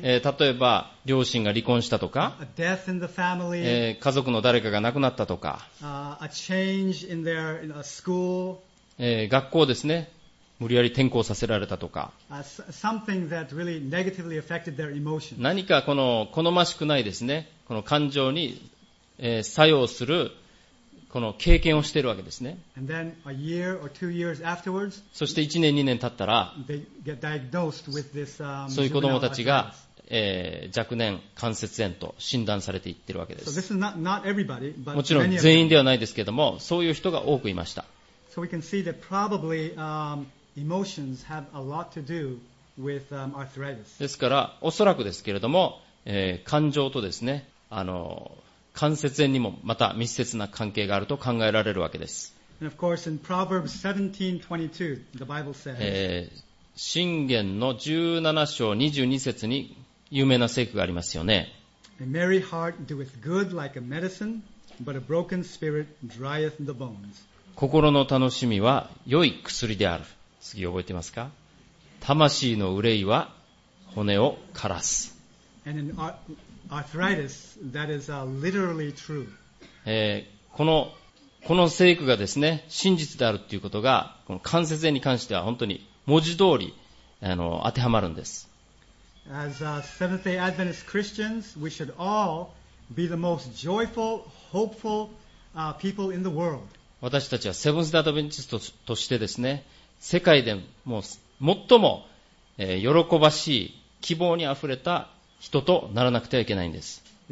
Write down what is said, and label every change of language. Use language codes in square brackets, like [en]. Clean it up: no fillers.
[ja] 例えば両親が離婚したとか、 [en] a death in the family, [ja] 家族の誰かが亡くなったとか、 [en] a change in their, in a school, [ja] 学校ですね、無理やり転校させられたとか、 [en] something that really negatively affected their emotions. [ja] 何かこの好ましくないですね、この感情に、作用するこの経験をしているわけですね。 [en] And then a year or two years afterwards, [ja] そして1年2年経ったら、 [en] they get diagnosed with this, [ja] そういう子どもたちが、若年関節炎と診断されていっているわけです。 [en] So this is not everybody, but [ja] もちろん全員ではないですけれども、そういう人が多くいました。 [en] So we can see that probably, emotions have a lot to do with, arthritis. [ja] ですから、おそらくですけれども、感情とですね、関節炎にもまた密接な関係があると考えられるわけです。 [en] And of course, in Proverbs 17:22, the Bible says, [ja] 箴言の17章22節に有名な聖句がありますよね。 [en] A merry heart doeth good like a medicine, but a broken spirit drieth the bones. [ja] 心の楽しみは良い薬である。次覚えていますか？魂の憂いは骨を枯らす。 [en] And in Arthritis, that is literally true. [ja] この聖句がですね、真実であるということが、この関節炎に関しては本当に文字通り当てはまるんです。 [en] As Seventh-day Adventist Christians, we should all be the most joyful, hopeful people in the world. [ja] 私たちはセブンス・アドベンチストとしてですね、世界でも最も喜ばしい希望にあふれた人とならなくてはいけないんです。